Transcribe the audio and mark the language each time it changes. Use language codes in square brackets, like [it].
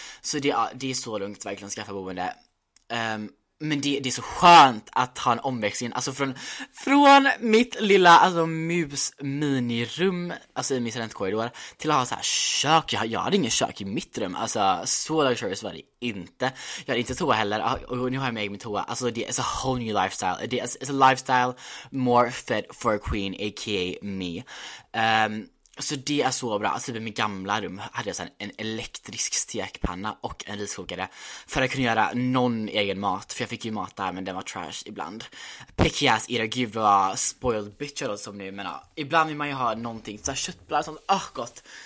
[sv] Så det är så lugnt verkligen att skaffa boende. Men det är så skönt att ha en omväxling. Alltså från mitt lilla, alltså mus minirum, alltså i min studentkorridor, till att ha så här kök. Jag hade ingen kök i mitt rum. Alltså så luxurious var det inte. Jag hade inte toa heller. Och nu har jag med min toa. Alltså det är a whole new lifestyle. [en] It's a lifestyle more fit for a queen, aka me. [sv] Så det är så bra. Alltså i mitt gamla rum hade jag en elektrisk stekpanna och en riskokare, för att kunna göra någon egen mat. För jag fick ju mat där, men den var trash ibland. Picky ass eater, gud vad spoiled bitch jag som nu. Men ja, ibland vill man ju ha någonting, såhär köttbullar och sånt, åh gott.